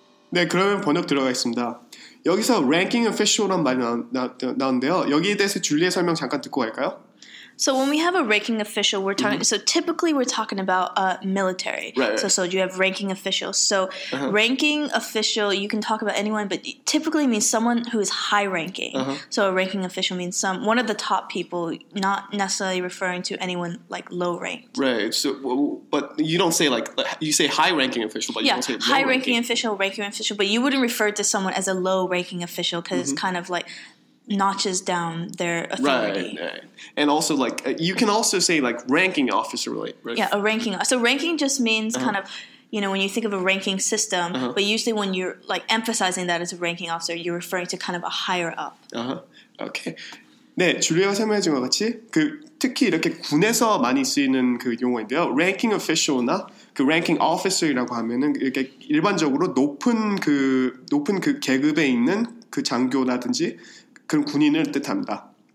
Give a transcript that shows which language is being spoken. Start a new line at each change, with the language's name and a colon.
Korean: 네, 그러면 번역 들어가겠습니다. 여기서 ranking official란 말이 나왔는데요. 여기에 대해서 줄리의 설명 잠깐 듣고 갈까요?
English: So when we have a ranking official, we're talking. Mm-hmm. So typically, we're talking about military. Right. So you have ranking officials. So uh-huh. ranking official, you can talk about anyone, but typically means someone who is high ranking. Uh-huh. So a ranking official means one of the top people, not necessarily referring to anyone like low ranked. Right. So, but you don't say like you say high ranking official, but yeah, you don't say low high ranking official, ranking official, but you wouldn't refer to someone as a low ranking official because mm-hmm. it's kind of like. Notches down their authority. Right, right. And also, like, you can also say, like, ranking officer, right? Yeah, a ranking. So ranking just means uh-huh. kind of, you know, when you think of a ranking system, uh-huh. but usually when you're, like, emphasizing that as a ranking officer, you're referring to kind of a higher up. Uh-huh. Okay.
Korean: 네, 줄리아가 설명해 준 것 같이, 그, 특히 이렇게 군에서 많이 쓰이는 그 용어인데요. Ranking official나 그 ranking officer이라고 하면은 이렇게 일반적으로 높은 그 계급에 있는 그 장교라든지 그런 군인을 뜻합니다.